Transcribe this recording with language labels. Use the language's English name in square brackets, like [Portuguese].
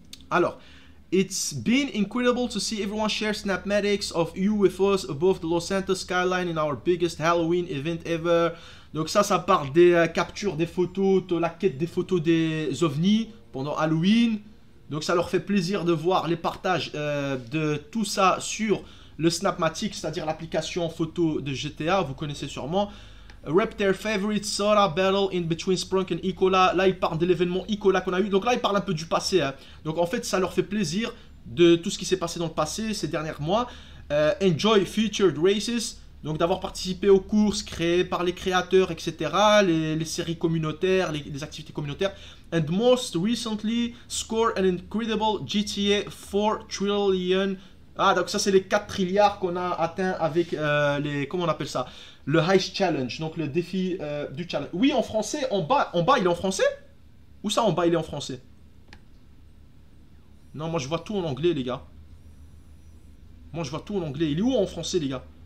[English] Alors, « It's been incredible to see everyone share snapmatics of UFOs above the Los Santos skyline in our biggest Halloween event ever ». [French] Donc ça parle des captures des photos, de la quête des photos des ovnis pendant Halloween. Donc ça leur fait plaisir de voir les partages de tout ça sur le Snapmatic, c'est-à-dire l'application photo de GTA, vous connaissez sûrement. [English] Rep their favorite Sora battle in between Sprunk and Ecola. [French] Là ils parlent de l'événement Ecola qu'on a eu, donc là ils parlent un peu du passé. Hein. Donc en fait ça leur fait plaisir de tout ce qui s'est passé dans le passé ces derniers mois. [English] Enjoy featured races. [French] Donc d'avoir participé aux courses créées par les créateurs, etc. Les séries communautaires, les activités communautaires. [English] And most recently, score an incredible GTA 4 trillion. [French] Ah, donc ça, c'est les 4 trilliards qu'on a atteint avec les... Comment on appelle ça? Le Heist Challenge, donc le défi du challenge. Oui, en français, en bas, il est en français? Où ça, en bas, il est en français? Non, moi, je vois tout en anglais, les gars. Moi, je vois tout en anglais. Il est où en français, les gars?